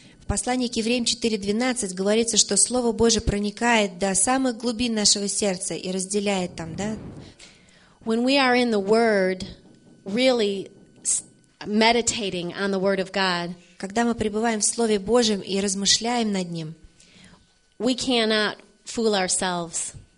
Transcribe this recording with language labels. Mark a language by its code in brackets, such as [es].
[ru] В послании к Евреям 4:12 говорится, что слово Божье проникает до самых глубин нашего сердца и разделяет там, да? [en] When we are in the word, really meditating on the word of God. [ru] Когда мы пребываем в слове Божьем и размышляем над ним. [en] We cannot fool ourselves.